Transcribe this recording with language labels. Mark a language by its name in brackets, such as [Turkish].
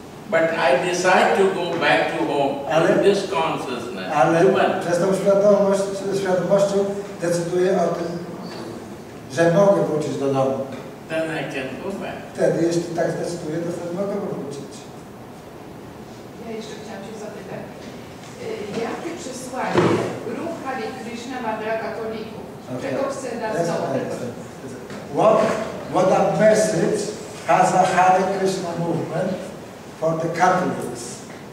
[English] But I decide to go back to home. [Polish] Ale, [English] to this consciousness. [Polish] Ale, decyduje o tym, że mogę wrócić do domu. [English] Then I can go back. [Polish] Wtedy, jeśli tak zdecyduję, to wtedy mogę wrócić. Ja jeszcze chciałam Cię zapytać. Jakie przesłanie ruch Hare Krishna ma dla katolików? Okay. Czego chce nas zauważyć? [English] What a message has a Hare Krishna movement for the Catholics?